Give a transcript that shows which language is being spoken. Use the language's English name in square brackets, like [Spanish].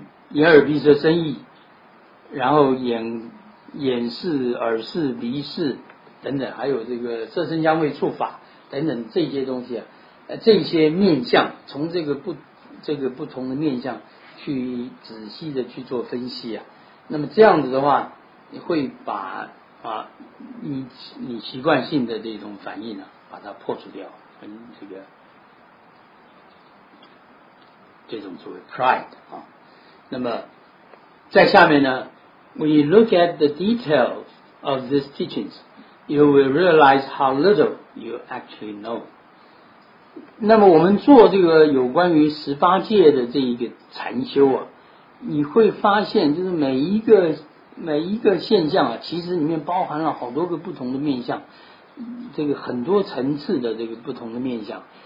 [Chinese] 眼耳鼻舌身意，然后眼视耳视鼻视等等，还有这个色声香味触法等等这些东西啊，这些面相，从这个不同的面相去仔细的去做分析啊，那么这样子的话，会把你习惯性的这种反应呢、把它破除掉，跟这个这种所谓 pride 啊。那么在下面呢， [English] when you look at the details of these teachings, you will realize how little you actually know. [Chinese] 那么我们做这个有关于十八戒的这一个禅修啊，你会发现就是每一个现象啊，其实里面包含了好多个不同的面相，这个很多层次的这个不同的面相。